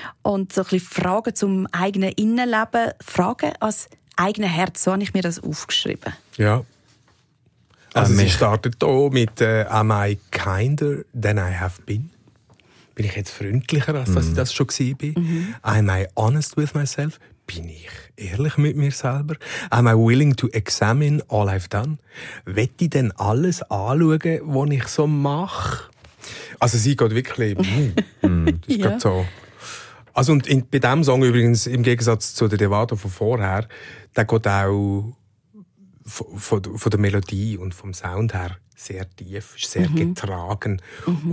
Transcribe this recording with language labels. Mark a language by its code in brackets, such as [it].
[de] Und so ein bisschen Fragen zum eigenen Innenleben, Fragen ans eigene Herz, so habe ich mir das aufgeschrieben. Ja. Also sie startet hier mit [en] «Am I kinder than I have been?» [de] Bin ich jetzt freundlicher, als dass ich das schon gewesen bin? [en] «Am I honest with myself?» [de] Bin ich ehrlich mit mir selber? [en] Am I willing to examine all I've done? [de] Will ich denn alles anschauen, was ich so mache? Also sie geht wirklich... das ist so. Also und bei diesem Song übrigens, im Gegensatz zu der Devado von vorher, der geht auch von der Melodie und vom Sound her sehr tief, sehr getragen. Mhm.